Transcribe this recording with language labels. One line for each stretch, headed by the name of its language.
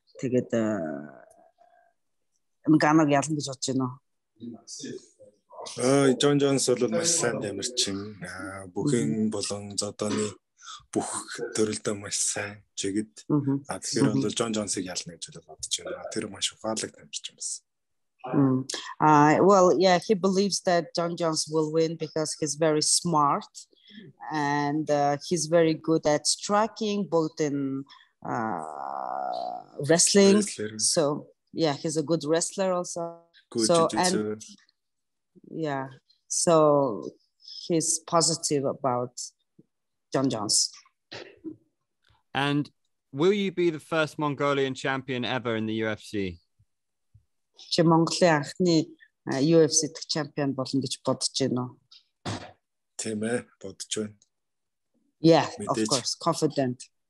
Mongolian: Тэгээд Ngannou ялан гэж бодож байна уу? Jon Jones бол маш сайн тамирчин. Бүхэн болон зодооны бүх төрөлдөө маш сайн жигд. Тэгэхээр бол Jon Jones-ыг ялна гэж бодож байна. Тэр маш ухаалаг тамирчин байсан.
English: Well, yeah, he believes that Jon Jones will win because he's very smart and he's very good at striking, both in wrestling. So, yeah, he's a good wrestler also. Good, so jiu-jitsu. And yeah, so he's positive about Jon Jones. And will you be the first Mongolian champion ever in the UFC?
Mongolian: Чи Монголын анхны UFC дэх чемпион болох гэж бодож байна уу? Тийм ээ, бодож байна.
English: Yeah, of course, confident.